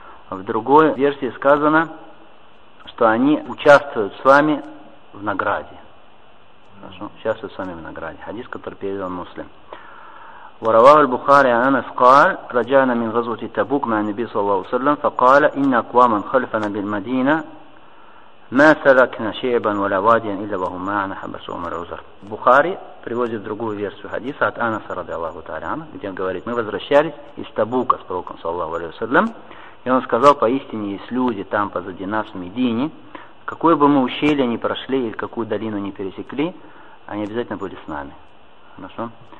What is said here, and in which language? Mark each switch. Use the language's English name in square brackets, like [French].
[Russian] В другой версии сказано, что они участвуют с вами в награде. Хорошо? Участвуют с вами в награде. Хадис, который передал муслим. [Arabic] ورواه البخاري عن انس قال رجعنا من غزوه تبوك مع النبي صلى الله عليه وسلم فقال ان اقواما خلفنا بالمدينه ما سلكنا شيئا ولا واديا الا وهم معنا حبسهم العذر. [Russian] البخاري приводит другую версию хадиса от Анаса [Arabic] رضي الله تعالى عنه, [Russian] где он говорит, мы возвращались из Табука с пророком [Arabic] صلى الله عليه وسلم, [Russian] и он сказал, поистине есть люди там позади нас в Медине, какое бы мы ущелье ни прошли или какую долину ни пересекли, они обязательно были с нами. Хорошо?